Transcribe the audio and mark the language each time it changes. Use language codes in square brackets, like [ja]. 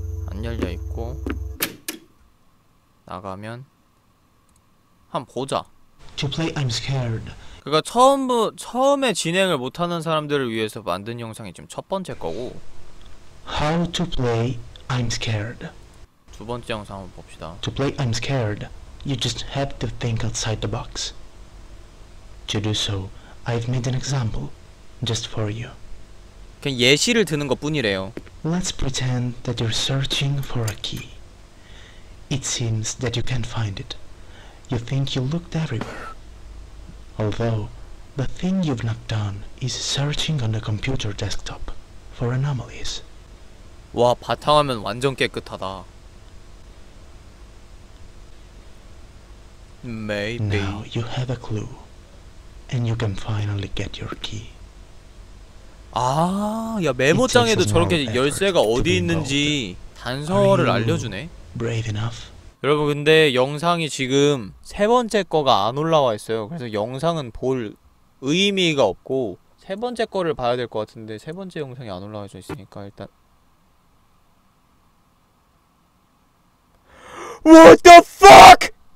[ko] 안 열려 있고 나가면 한번 보자. [en] To play, I'm scared. [ko] 그러니까 처음에 진행을 못 하는 사람들을 위해서 만든 영상이 지금 첫 번째 거고. [en] How to play, I'm scared. [ko] 두 번째 영상 한번 봅시다. [en] To play, I'm scared. You just have to think outside the box. To do so, I've made an example. Just for you. [ko] 그냥 예시를 드는 것 뿐이래요. [en] Let's pretend that you're searching for a key. It seems that you can't find it. You think you looked everywhere. Although, the thing you've not done is searching on the computer desktop for anomalies. [ko] 와, 바탕화면 완전 깨끗하다. [en] Maybe. Now you have a clue, and you can finally get your key. [ko] 아, 야 메모장에도 저렇게 열쇠가 어디 있는지 단서를 알려주네. 여러분 근데 영상이 지금 세 번째 거가 안 올라와 있어요. 그래서 영상은 볼 의미가 없고 세 번째 거를 봐야 될 것 같은데 세 번째 영상이 안 올라와 있으니까 일단 [en] What the fuck!